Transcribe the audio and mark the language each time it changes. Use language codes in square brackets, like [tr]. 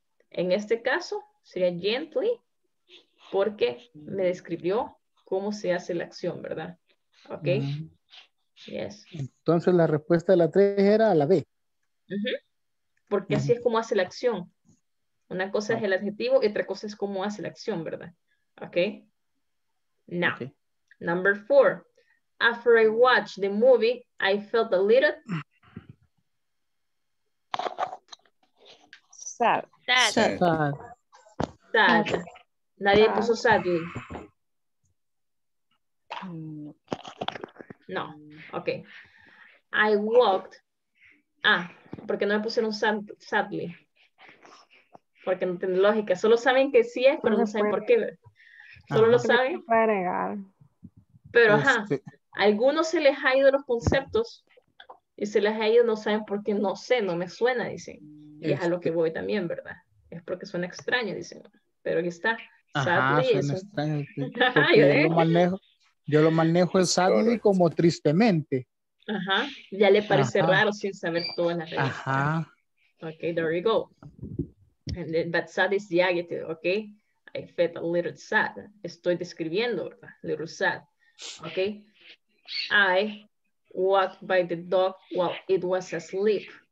[es] En este caso, sería gently porque me describió cómo se hace la acción, ¿verdad? ¿Ok? Uh-huh. Yes. Entonces, la respuesta de la 3 era la B. Uh-huh. Porque uh-huh, así es como hace la acción. Una cosa es el adjetivo y otra cosa es cómo hace la acción, ¿verdad? [en] ¿Ok? Now, okay. Number 4. After I watched the movie, I felt a little sad. Okay. [es] Nadie sad. Puso sad. No. Ok. I walked. Porque no me pusieron sadly. Porque no tiene lógica. Solo saben que sí es, pero no saben por qué. Solo lo saben. Pero ajá. Algunos se les ha ido los conceptos y se les ha ido, no saben por qué, no sé, no me suena, dicen. Y es a lo que voy también, ¿verdad? Es porque suena extraño, dicen. Pero aquí está. Sadly. Ajá, suena extraño. Yo lo manejo el sadly como tristemente. Ajá. Ya le parece raro sin saber todas las reglas. Ajá. [en] Ok, there you go. And then, but sad is the adjective, ok. I felt a little sad. Estoy describiendo, ¿verdad? Little sad. Ok. I walked by the dog while it was asleep.